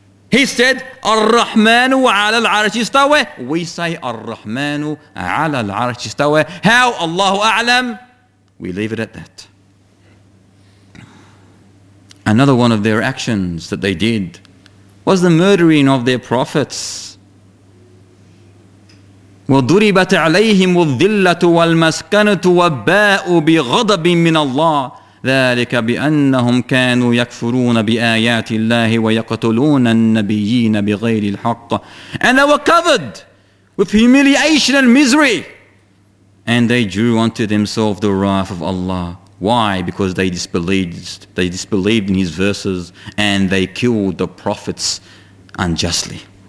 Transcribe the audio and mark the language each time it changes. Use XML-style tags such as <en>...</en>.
<en>He said,</en> <ar>Ar-Rahmanu ala al-Arsh istawa.</ar> <en>We say,</en> <ar>Ar-Rahmanu ala al-Arsh istawa.</ar> <en>How?</en> <ar>Allahu a'lam.</ar> <en>We leave it at that. Another one of their actions that they did was the murdering of their prophets.</en> <ar>وَضُرِبَتْ عَلَيْهِمُ الذِّلَّةُ وَالْمَسْكَنَةُ وَبَاءُ بِغَضَبٍ مِّنَ اللَّهِ ذلك بأنهم كانوا يكفرون بآيات الله ويقتلون النبيين بغير الحق.</ar> <en>And they were covered with humiliation and misery, and they drew unto themselves the wrath of Allah. Why? Because they disbelieved in His verses, and they killed the prophets unjustly.</en>